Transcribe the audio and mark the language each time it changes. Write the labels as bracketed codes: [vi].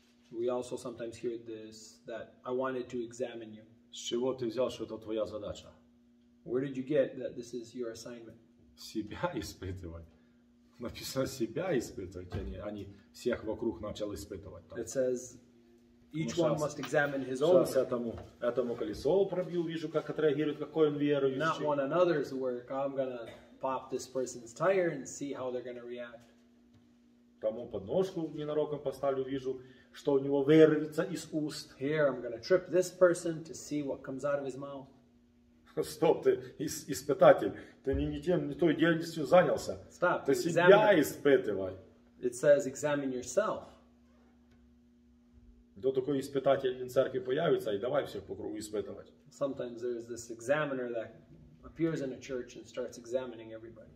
[en] We also sometimes hear this, that I wanted to examine you. [ru] С чего ты взял, что это твоя задача? [en] Where did you get that this is your assignment? [ru] Себя испытывать. Написано себя испытывать, а не они всех вокруг начал испытывать. [en] It says each one must examine his own. [ru] Сейчас этому колесо пробью, вижу, как отреагирует, какой он верующий. [en] Not one another's work. I'm gonna pop this person's tire and see how they're gonna react. [ru] Тому подножку ненароком поставлю, вижу, что у него вырвется из уст. [en] Here I'm gonna trip this person to see what comes out of his mouth. [ru] Стоп, ты испытатель. Ты не той деятельностью занялся. [en] Stop. [ru] Ты себя испытывай. [en] It says examine yourself. [ru] Кто такой испытатель в церкви появится, и давай всех по кругу испытывать. [en] Sometimes there is this examiner that appears in a church and starts examining everybody.